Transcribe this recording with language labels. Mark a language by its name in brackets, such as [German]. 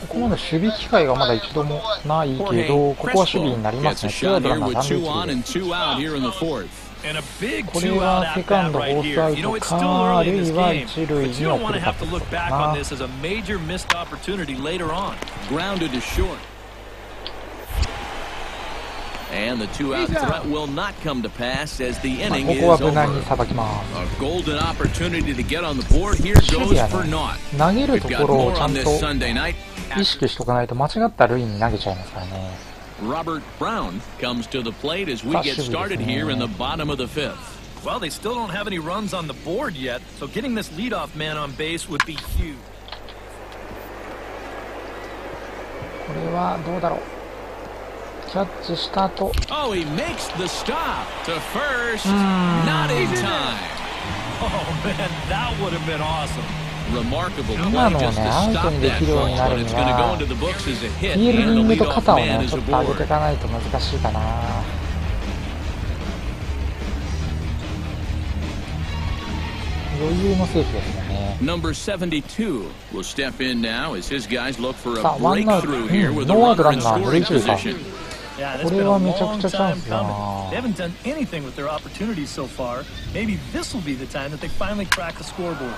[Japanese] ここまで守備機会がまだ一度もないけど、ここは守備になりますね。ツーアウトランナー3塁です。これはセカンドフォースアウトか、あるいは1塁に送りかけるかな。 [English] And the two-out threat will not come to pass as the inning is over. A golden opportunity to get on the board. Here goes for naught. We've got more on this Sunday night. [Japanese] 意識しとかないと間違った塁に投げちゃいますからね。 [English] Robert Brown comes to the plate as we get started here in the bottom of the fifth. Well, they still don't have any runs on the board yet, so getting this leadoff man on base would be huge. [Japanese] これはどうだろう。キャッチしたと、今のね、アウトにできるようになるには、フィールディングと肩をね、ちょっと上げていかないと難しいかな。余裕のセーフですね。 [English] Number 72 will step in now as his guys look for a breakthrough here with a runner in scoring position. [Japanese] これはめちゃくちゃチャンスだな。 [English] They haven't done anything with their opportunities so far. Maybe this will be the time that they finally crack the scoreboard.